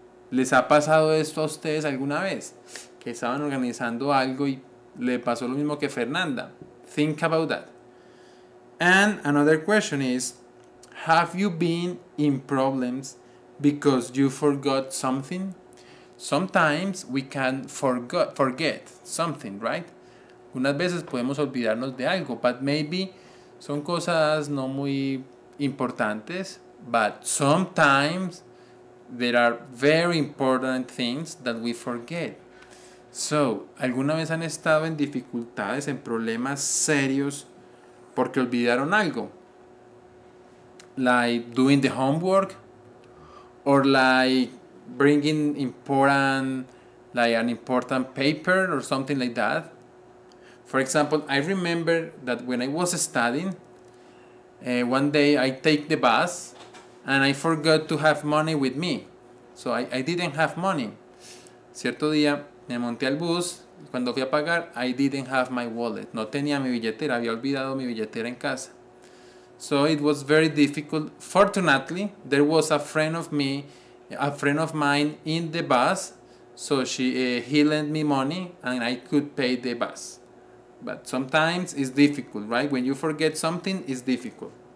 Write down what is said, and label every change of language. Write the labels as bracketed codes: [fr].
[es] ¿Les ha pasado esto a ustedes alguna vez? Que estaban organizando algo y le pasó lo mismo que Fernanda. [en] Think about that. And another question is, have you been in problems because you forgot something? Sometimes we can forget something, right? [es] Unas veces podemos olvidarnos de algo, [en] but maybe [es] son cosas no muy importantes. [en] But sometimes there are very important things that we forget. [es] So, ¿alguna vez han estado en dificultades, en problemas serios, porque olvidaron algo? [en] Like doing the homework, or like bringing important, like an important paper or something like that. For example, I remember that when I was studying, one day I take the bus and I forgot to have money with me. So I didn't have money. [es] Cierto día me monté al bus y cuando fui a pagar, [en] I didn't have my wallet. [es] No tenía mi billetera, había olvidado mi billetera en casa. [en] So it was very difficult. Fortunately, there was a friend of mine in the bus. So he lent me money and I could pay the bus. But sometimes it's difficult, right? When you forget something, it's difficult.